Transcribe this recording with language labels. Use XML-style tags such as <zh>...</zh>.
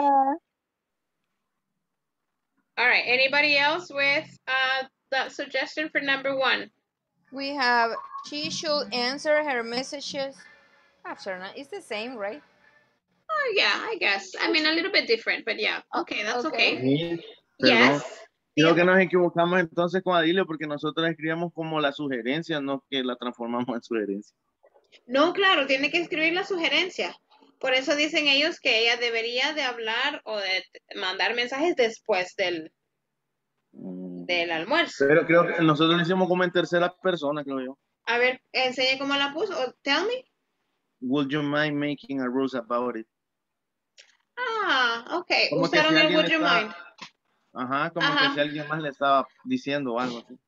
<en>All right, anybody else with that suggestion for number one? We have, she should answer her messages. After, it's the same, right? Yeah, I guess. I mean, a little bit different, but yeah. Okay, that's okay. Yes.</en> <es>Creo que nos equivocamos entonces con Adilio porque nosotros escribimos como la sugerencia, no que la transformamos en sugerencia. No, claro, tiene que escribir la sugerencia. Por eso dicen ellos que ella debería de hablar o de mandar mensajes después del almuerzo. Pero creo que nosotros lo hicimos como en tercera persona, creo yo. A ver, enseñe cómo la puso.</es> <en>Oh, tell me. Would you mind making a rules about it?</en> <es>Ah, okay. Usaron el</es> <en>would you mind.</en> <es>Ajá, como ajá. Que si alguien más le estaba diciendo algo así.</es>